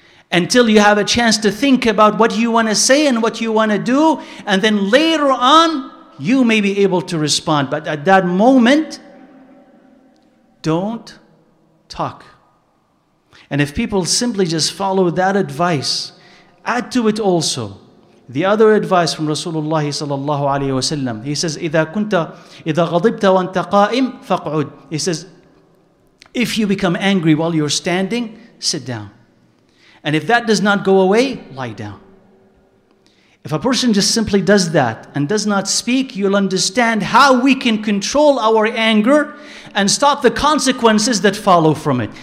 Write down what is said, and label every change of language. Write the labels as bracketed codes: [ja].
[en] Until you have a chance to think about what you want to say and what you want to do, and then later on, you may be able to respond. But at that moment, don't talk. And if people simply just follow that advice, add to it also the other advice from Rasulullah sallallahu alayhi wa sallam. He says, [ar] إِذَا غَضِبْتَ وَأَنْتَ قَائِمٌ فَاقْعُدْ. [en] He says, if you become angry while you're standing, sit down. And if that does not go away, lie down. If a person just simply does that and does not speak, you'll understand how we can control our anger and stop the consequences that follow from it.